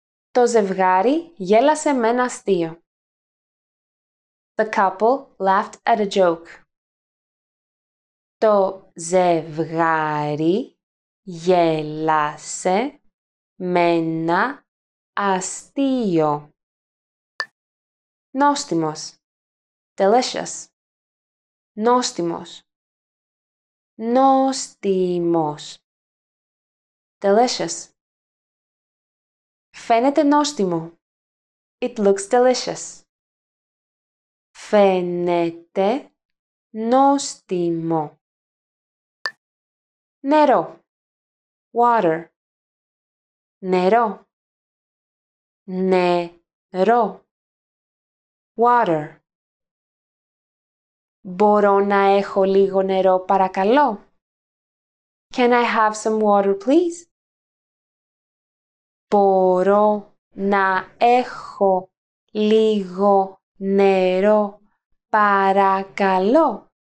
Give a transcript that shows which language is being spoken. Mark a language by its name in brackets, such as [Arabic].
[Greek] Το ζευγάρι γέλασε με ένα αστείο. [English] The couple laughed at a joke. [Greek] Το ζευγάρι γέλασε με ένα αστείο. Νόστιμος. [English] Delicious. [Greek] Νόστιμος. Νόστιμος. [English] Delicious. [Greek] Φαίνεται νόστιμο. [English] It looks delicious. [Greek] Φαίνεται νόστιμο. Νερό. [English] Water. [Greek] Νερό. Νερό. [English] Water. [Greek] Μπορώ να έχω λίγο νερό, παρακαλώ. [English] Can I have some water, please? [Greek] Μπορώ να έχω λίγο νερό, παρακαλώ.